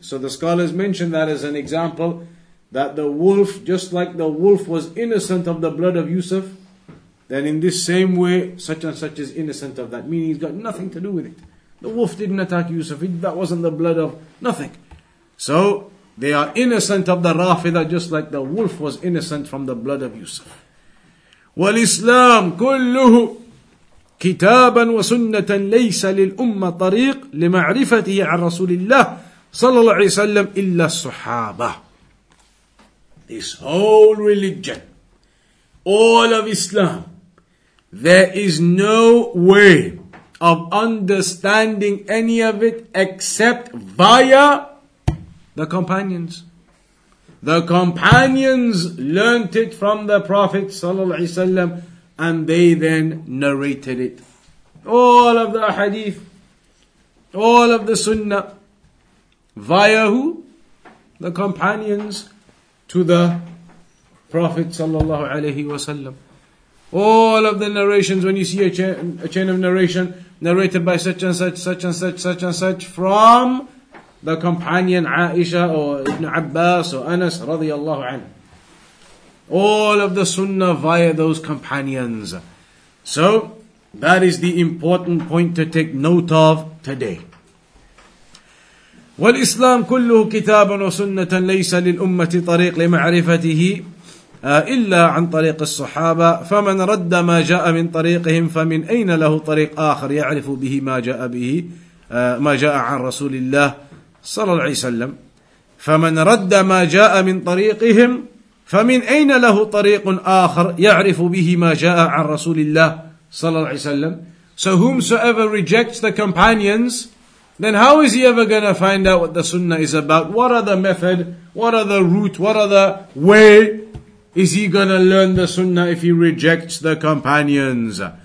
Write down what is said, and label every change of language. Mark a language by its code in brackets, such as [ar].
[en] So the scholars mention that as an example, that the wolf, just like the wolf was innocent of the blood of Yusuf, then in this same way, such and such is innocent of that. Meaning he's got nothing to do with it. The wolf didn't attack Yusuf. That wasn't the blood of nothing. So they are innocent of the Rafidah, just like the wolf was innocent from the blood of Yusuf. [ar] والإسلام كله كتابا وسنة ليس للأمة طريق لمعرفته عن رسول الله صلى الله عليه وسلم إلا الصحابة. [en] This whole religion, all of Islam, there is no way of understanding any of it except via the companions. The companions learnt it from the Prophet ﷺ, and they then narrated it. All of the hadith, all of the sunnah, via who? The companions to the Prophet ﷺ. All of the narrations, when you see a chain of narration, narrated by such and such, such and such, such and such, from the companion Aisha or Ibn Abbas or Anas radiallahu anhu. All of the sunnah via those companions. So, that is the important point to take note of today. [ar] والإسلام كله كتابا وسنة ليس للأمة طريق لمعرفته إلا عن طريق الصحابة فمن رد ما جاء من طريقهم فمن أين له طريق آخر يعرف به ما جاء به ما جاء عن رسول الله صلى الله عليه وسلم فمن رد ما جاء من طريقهم فمن أين له طريق آخر يعرف به ما جاء عن رسول الله صلى الله عليه وسلم. [en] So whomsoever rejects the companions, then how is he ever going to find out what the sunnah is about? What are the method? What are the route? What are the way is he going to learn the sunnah if he rejects the companions?